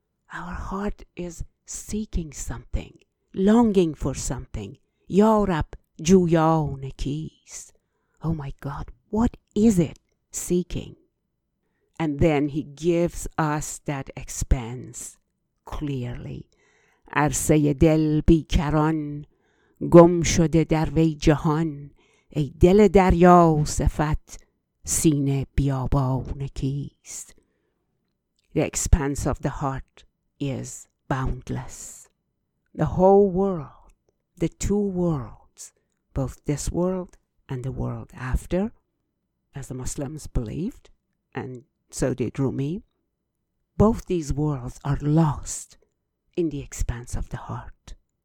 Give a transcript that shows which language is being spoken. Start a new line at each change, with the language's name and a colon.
English: Our heart is seeking something, longing for something.
Persian: یارب جویان کیست.
English: Oh my God, what is it seeking? And then he gives us that expanse clearly.
Persian: عرصه دل بیکران گم شده در وی جهان، ای دل دریا صفت سینه بیابان کیست.
English: The expanse of the heart is boundless. The whole world, the two worlds, both this world and the world after, as the Muslims believed, and so did Rumi, both these worlds are lost in the expanse of the heart.